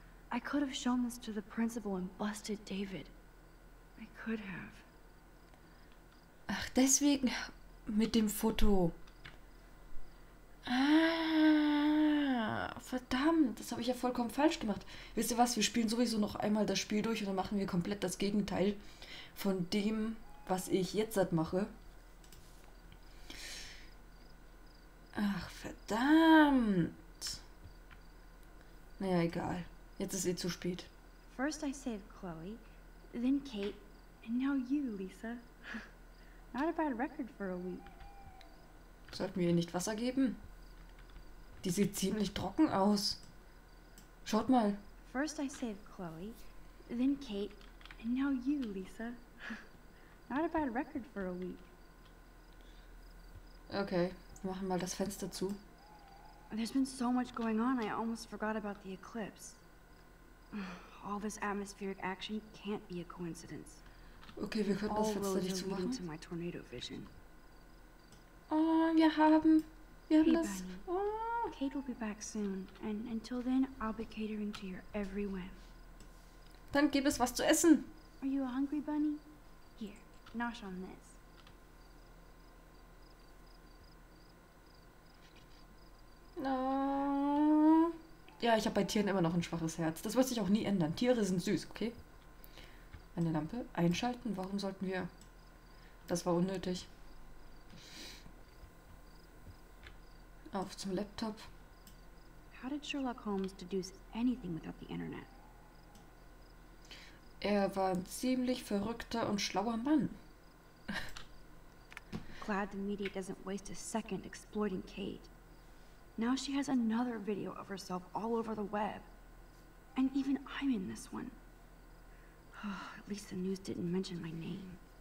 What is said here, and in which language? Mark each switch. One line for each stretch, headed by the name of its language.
English: I could have shown this to the principal and busted David. I could have.
German: Ach, deswegen mit dem Foto. Ah, verdammt, das habe ich ja vollkommen falsch gemacht. Wisst ihr was, wir spielen sowieso noch einmal das Spiel durch und dann machen wir komplett das Gegenteil von dem, was ich jetzt mache. Ach, verdammt. Naja, egal. Jetzt ist eh zu spät.
English: First I saved Chloe, then Kate, and now you, Lisa. Not a bad record for a week.
German: Sollten wir ihr nicht Wasser geben? Die sieht ziemlich trocken aus. Schaut mal.
English: First I saved Chloe, then Kate, and now you, Lisa. Not a bad record for a week.
German: Okay, wir machen mal das Fenster zu.
English: There's been so much going on, I almost forgot about the eclipse. All this atmospheric action can't be a coincidence.
German: Okay, wir können das Fenster nicht zumachen.
English: To my tornado vision.
German: Oh, wir haben
English: hey,
German: das. Oh.
English: Kate will be back soon, and until then, I'll be catering to your every whim.
German: Dann gib es was zu essen.
English: Are you a hungry bunny? Here, nosh on this. No.
German: Ja, ich habe bei Tieren immer noch ein schwaches Herz. Das wird sich auch nie ändern. Tiere sind süß, okay? Eine Lampe einschalten? Warum sollten wir? Das war unnötig. Auf zum Laptop.
English: How did Sherlock Holmes deduce anything without the internet?
German: Er war ein ziemlich verrückter und schlauer Mann.
English: Glad the media doesn't waste a second exploiting Kate. Now she has another video of herself all over the web. And even I'm in this one. Oh, at least the news didn't mention my name.